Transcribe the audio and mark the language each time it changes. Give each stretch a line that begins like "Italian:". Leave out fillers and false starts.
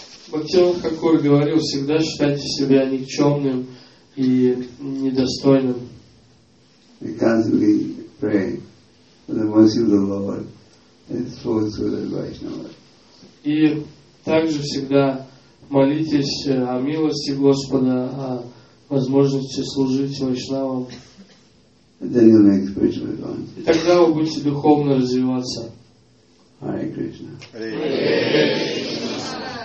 Russian: Бхактивинода Такур говорил, всегда считайте себя никчемным и недостойным.
English: We constantly pray for the mercy of the Lord and for the Vaishnava.
Russian: И также всегда молитесь о милости Господа, о возможности служить Вайшнавам.
English: Then you'll make spiritual advance.
Russian: И тогда вы будете духовно развиваться.
Sanskrit: Hare Krishna. Hare Krishna.